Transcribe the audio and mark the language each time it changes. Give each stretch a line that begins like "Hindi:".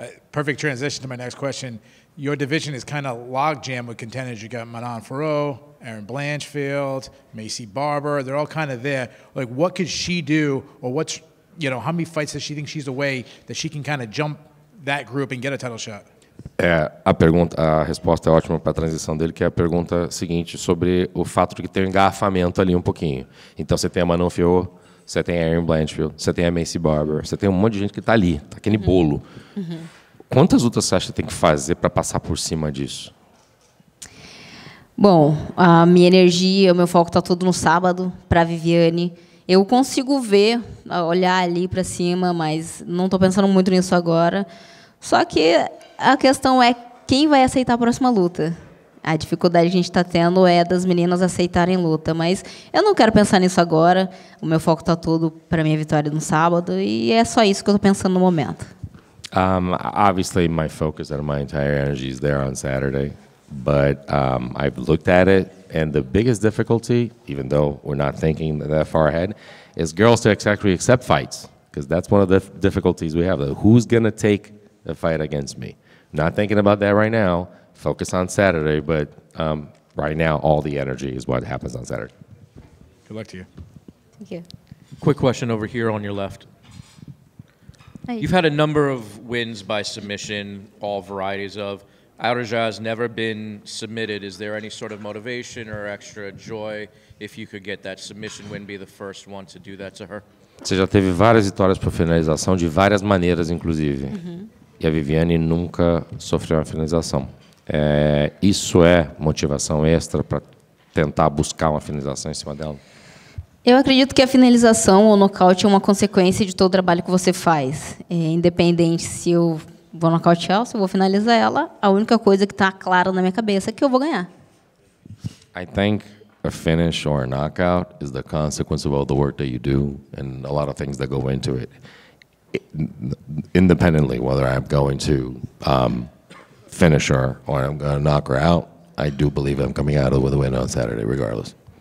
English: Perfect transition to my next question. Your division is kind of log-jammed with contenders. You got Manon Farreau, Aaron Blanchfield, Macy Barber. They're all kind of there. Like, what could she do, or what's, you know, how many fights does she think she's away that she can kind of jump that group and get a title shot?
Portuguese: A resposta é ótima para a transição dele, que é a pergunta seguinte sobre o fato de que tem um engarrafamento ali um pouquinho. Então você tem a Manon Farreau, você tem a Aaron Blanchfield, você tem a Macy Barber, você tem um monte de gente que está ali, está aquele bolo. Uhum. Quantas lutas você acha que tem que fazer para passar por cima disso? Bom, a minha energia, o meu foco está todo no sábado para a Viviane. Eu consigo ver, olhar ali para cima, mas não estou pensando muito nisso agora. Só que a questão é quem vai aceitar a próxima luta. A dificuldade que a gente está tendo é das meninas aceitarem luta, mas eu não quero pensar nisso agora. O meu foco está todo para minha vitória no sábado e é só isso que eu estou pensando no momento.
English: Obviously, my focus and my entire energy is there on Saturday, but I've looked at it and the biggest difficulty, even though we're not thinking that far ahead, is girls to exactly accept fights, because that's one of the difficulties we have. Who's gonna take a fight against me? Not thinking about that right now. Focus on Saturday, but right now, all the energy is what happens on Saturday. Good luck to you. Thank you. Quick question over here on your left. Hi. You've had a number of wins by submission, all varieties of. Arja has never been submitted. Is there any sort of motivation or extra joy if you could get that submission win, be the first one to do that to her?
Portuguese: Você já teve várias vitórias por finalização, de várias maneiras, inclusive. E a Viviane nunca sofreu uma finalização. Isso é motivação extra para tentar buscar uma finalização em cima dela? Eu acredito que a finalização ou nocaute é uma consequência de todo o trabalho que você faz. Independente se eu vou nocautear ou se eu vou finalizar ela, a única coisa que está clara na minha cabeça é que eu vou ganhar.
English: I think a finish or a knockout is the consequence of all the work that you do and a lot of things that go into it. Independently, whether I'm going to finish her or I'm going to knock her out, I do believe I'm coming out with a win on Saturday, regardless.